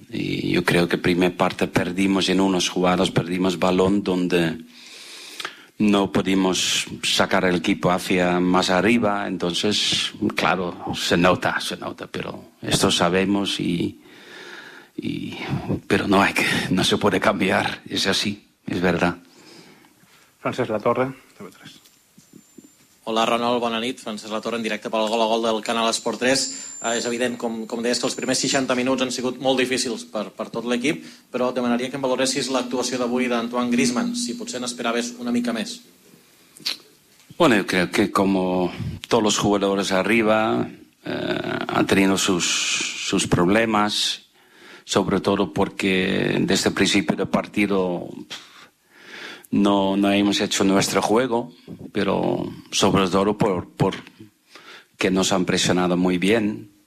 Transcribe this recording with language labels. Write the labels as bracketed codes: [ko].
[es] Y yo creo que primera parte perdimos en unos jugados, perdimos balón donde no pudimos sacar el equipo hacia más arriba. Entonces, claro, se nota, pero esto sabemos y pero no hay que, no se puede cambiar, es así, es verdad. [ca] Francesc Latorre, TV3. Hola, Ronald, bona nit. Francesc Latorre en directe pel gol a gol del Canal Esport 3. És evident, com deies, que els primers 60 minuts han sigut molt difícils per tot l'equip, però demanaria que em valoressis l'actuació d'avui d'Antoine Griezmann, si potser n'esperaves una mica més. [es] Bueno, yo creo que como todos los jugadores arriba han tenido sus problemas, sobre todo porque desde el principio del partido no hemos hecho nuestro juego, pero sobre todo porque nos han presionado muy bien.